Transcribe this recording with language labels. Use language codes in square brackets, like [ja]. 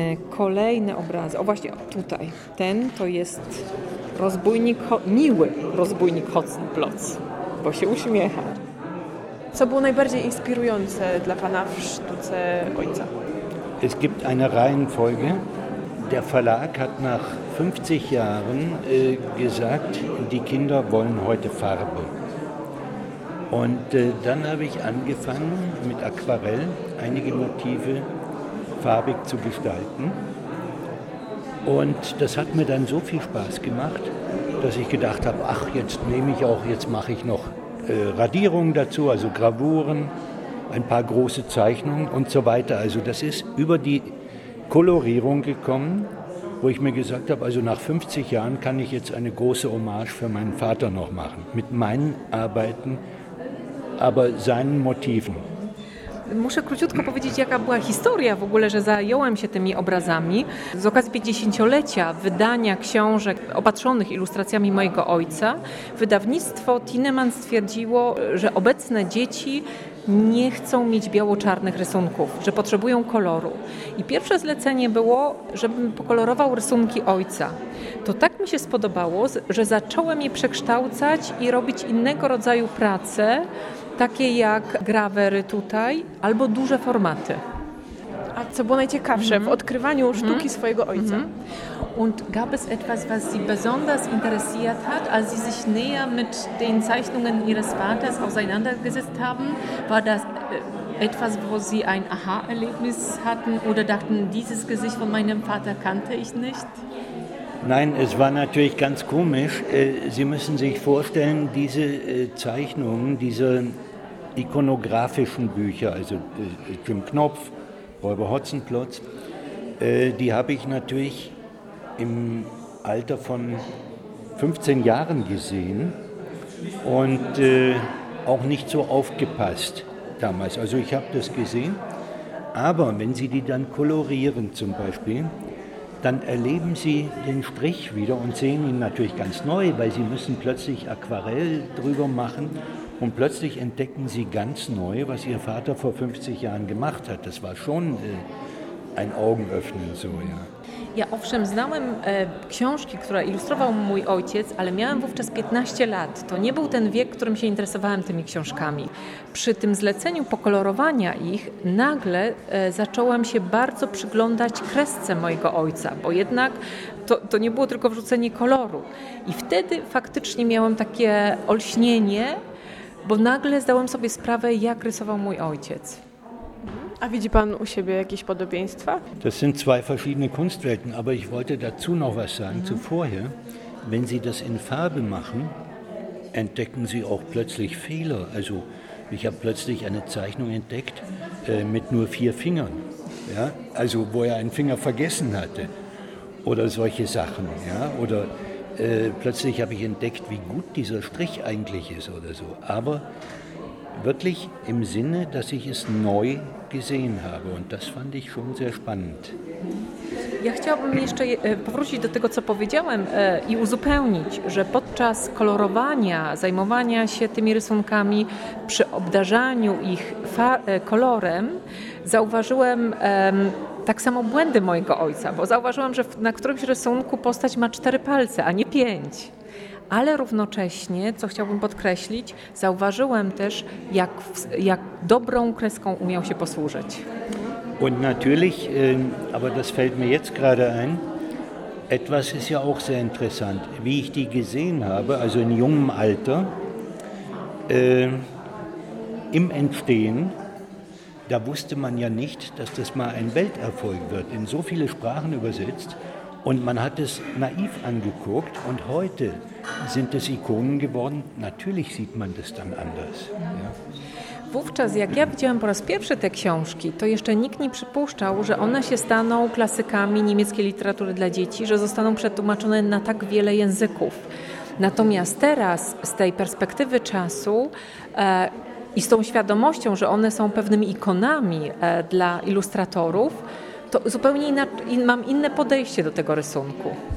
[pl] Kolejny obraz, o właśnie tutaj, ten to jest rozbójnik, miły rozbójnik Hotzenplotz, bo się uśmiecha. Co było najbardziej inspirujące dla pana w sztuce ojca? [de] Es gibt eine Reihenfolge. Der Verlag hat nach 50 Jahren gesagt, die Kinder wollen heute Farbe. Und dann habe ich angefangen, mit Aquarell einige Motive farbig zu gestalten. Und das hat mir dann so viel Spaß gemacht, dass ich gedacht habe, ach, jetzt mache ich noch Radierungen dazu, also Gravuren, ein paar große Zeichnungen und so weiter. Also das ist über die Kolorierung gekommen, wo ich mir gesagt habe, also nach 50 Jahren kann ich jetzt eine große Hommage für meinen Vater noch machen, mit meinen Arbeiten, aber seinen Motiven. [pl] Muszę króciutko powiedzieć, jaka była historia w ogóle, że zająłem się tymi obrazami. Z okazji 50-lecia wydania książek opatrzonych ilustracjami mojego ojca, wydawnictwo Tinneman stwierdziło, że obecne dzieci nie chcą mieć biało-czarnych rysunków, że potrzebują koloru. I pierwsze zlecenie było, żebym pokolorował rysunki ojca. To tak mi się spodobało, że zacząłem je przekształcać i robić innego rodzaju prace, takie jak grawery tutaj, albo duże formaty. A co było najciekawsze w odkrywaniu sztuki swojego ojca? [de] Und gab es etwas, was Sie besonders interessiert hat, als Sie sich näher mit den Zeichnungen Ihres Vaters auseinandergesetzt haben? War das etwas, wo Sie ein Aha-Erlebnis hatten oder dachten, dieses Gesicht von meinem Vater kannte ich nicht? Nein, es war natürlich ganz komisch. Sie müssen sich vorstellen, diese Zeichnungen, diese ikonografischen Bücher, also Jim Knopf, Räuber Hotzenplotz, die habe ich natürlich im Alter von 15 Jahren gesehen und auch nicht so aufgepasst damals. Also ich habe das gesehen, aber wenn Sie die dann kolorieren zum Beispiel, dann erleben Sie den Strich wieder und sehen ihn natürlich ganz neu, weil Sie müssen plötzlich Aquarell drüber machen und plötzlich entdecken Sie ganz neu, was Ihr Vater vor 50 Jahren gemacht hat. Das war schon ein Augenöffnen, so, ja. [pl] Ja owszem, znałem książki, które ilustrował mój ojciec, ale miałem wówczas 15 lat. To nie był ten wiek, którym się interesowałem tymi książkami. Przy tym zleceniu pokolorowania ich nagle zacząłem się bardzo przyglądać kresce mojego ojca, bo jednak to nie było tylko wrzucenie koloru. I wtedy faktycznie miałem takie olśnienie, bo nagle zdałem sobie sprawę, jak rysował mój ojciec. A widzi pan u siebie jakieś podobieństwa? [de] Das sind zwei verschiedene Kunstwelten, aber ich wollte dazu noch was sagen. Mhm. Zuvor, wenn Sie das in Farbe machen, entdecken Sie auch plötzlich Fehler. Also ich habe plötzlich eine Zeichnung entdeckt mit nur 4 Fingern, ja? Also wo er einen Finger vergessen hatte oder solche Sachen. Ja? Oder plötzlich habe ich entdeckt, wie gut dieser Strich eigentlich ist oder so. Aber wirklich im Sinne, dass ich es neu gesehen habe und das fand ich schon sehr spannend. [pl] Ja chciałabym jeszcze powrócić do tego, co powiedziałem i uzupełnić, że podczas kolorowania, zajmowania się tymi rysunkami, przy obdarzaniu ich kolorem, zauważyłem tak samo błędy mojego ojca, bo zauważyłem, że na którymś rysunku postać ma 4 palce, a nie 5. Ale równocześnie, co chciałbym podkreślić, zauważyłem też, jak dobrą kreską umiał się posłużyć. [de] Und natürlich, aber das fällt mir jetzt gerade ein, etwas ist ja auch sehr interessant. Wie ich die gesehen habe, also in jungem Alter, im Entstehen, da wusste man ja nicht, dass das mal ein Welterfolg wird, in so viele Sprachen übersetzt. Und man hat es naiv angeguckt und heute sind es Ikonen geworden. Natürlich sieht man das dann anders. Ja. [pl] Wówczas, jak ja widziałem po raz pierwszy te książki, to jeszcze nikt nie przypuszczał, że one się staną klasykami niemieckiej literatury dla dzieci, że zostaną przetłumaczone na tak wiele języków. Natomiast teraz, z tej perspektywy czasu i z tą świadomością, że one są pewnymi ikonami dla ilustratorów, to zupełnie mam inne podejście do tego rysunku.